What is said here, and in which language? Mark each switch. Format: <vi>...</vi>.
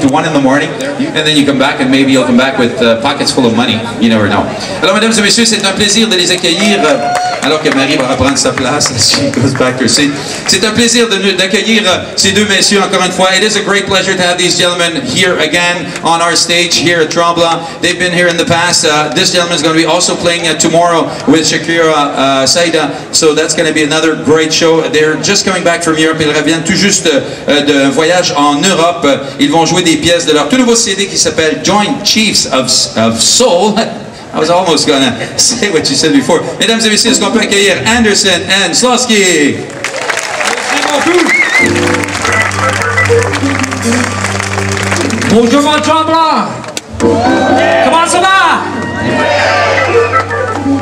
<en>to 1 in the morning, and then you come back and maybe you'll come back with pockets full of money. You never know.</en> <fr>Alors, mesdames et messieurs, c'est un plaisir de les accueillir. Alors que Marie va reprendre sa place,</fr> <en>she goes back to her seat.</en> <fr>C'est un plaisir d'accueillir ces deux messieurs encore une fois.</fr> <en>It is a great pleasure to have these gentlemen here again on our stage here at Tremblant. They've been here in the past. This gentleman is going to be also playing tomorrow with Shakira Saïda. So that's going to be another great show. They're just coming back from Europe.</en> <fr>Ils reviennent tout juste d'un voyage en Europe. Ils vont jouer des pièces de leur tout nouveau CD qui s'appelle Joint Chiefs of Soul.</fr> <en>I was almost gonna say what you said before.</en> <fr>Mesdames et messieurs, est-ce qu'on peut accueillir Anderson and Slosky? Merci beaucoup. Bonjour, Mont-Tremblant. Comment ça va?</fr>